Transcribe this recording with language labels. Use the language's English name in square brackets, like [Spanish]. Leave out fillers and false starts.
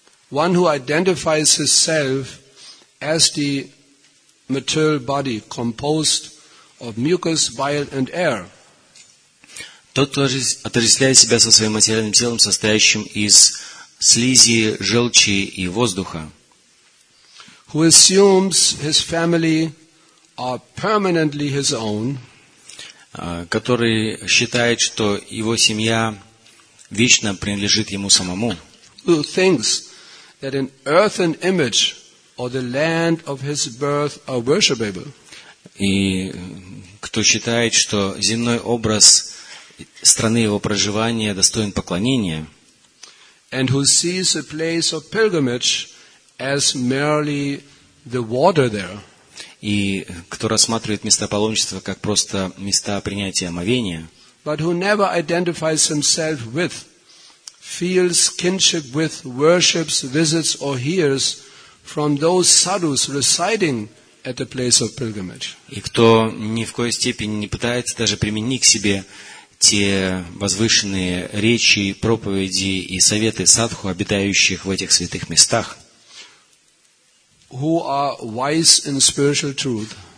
[English] One who identifies himself as the material body composed of mucus, bile and air. [Russian] Тот, кто отождествляет себя со своим материальным телом, состоящим из слизи, желчи и воздуха. [English] Who assumes his family are permanently his own. [Russian] Который считает, что его семья вечно принадлежит ему самому. [English] Who thinks that an earthen image or the land of his birth are worshipable. [Russian] И кто считает, что земной образ страны его проживания достоин поклонения. [English] And who sees a place of pilgrimage as merely the water there. [Russian] И кто рассматривает места паломничества как просто места принятия омовения. [English] But who never identifies himself with, feels kinship with, worships, visits or hears from those sadhus residing at the place of pilgrimage. [Russian] И кто ни в коей степени не пытается даже применить к себе те возвышенные речи, проповеди и советы садху, обитающих в этих святых местах. [English] Who are wise in spiritual truth.